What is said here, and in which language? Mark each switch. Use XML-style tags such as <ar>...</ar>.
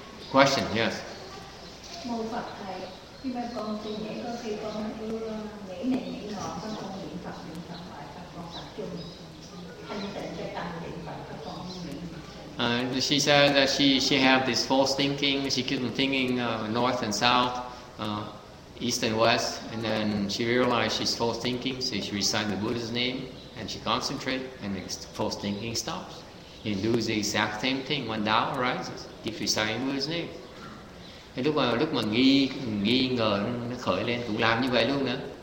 <en>Question, yes.</en> <vi>Mô Phật thầy, khi mà con suy nghĩ, có khi con cứ nghĩ này nghĩ nọ, con không niệm Phật, niệm Phật lại, con tập trung thanh tịnh cho tâm niệm Phật, con không niệm.</vi> <en>She said that she have this false thinking. She keeps on thinking north and south, east and west, and then she realized she's false thinking. So she recites the Buddha's name and she concentrates, and the false thinking stops. You do the exact same thing when doubt arises. Keep reciting Buddha's name.</en> <vi>Thì lúc mà nghi ngờ nó khởi lên cũng làm như vậy luôn nữa.</vi>